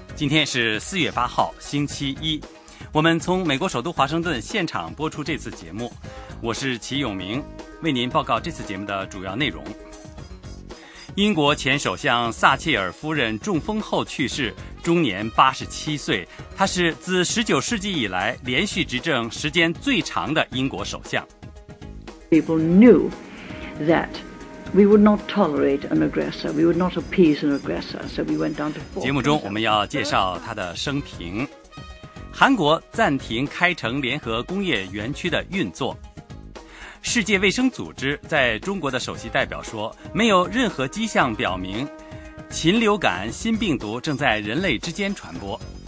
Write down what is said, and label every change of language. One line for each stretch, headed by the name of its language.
Chinese: 今天是4月8号星期一，我们从美国首都华盛顿现场播出这次节目，我是齐永明，为您报告这次节目的主要内容。英国前首相撒切尔夫人中风后去世，终年87岁，她是自19世纪以来连续执政时间最长的英国首相。
English: People knew that we would not tolerate an aggressor, we would not appease an aggressor, so we went down to four.
Chinese: 节目中我们要介绍她的生平。韩国暂停开城联合工业园区的运作。世界卫生组织在中国的首席代表说，没有任何迹象表明禽流感新病毒正在人类之间传播。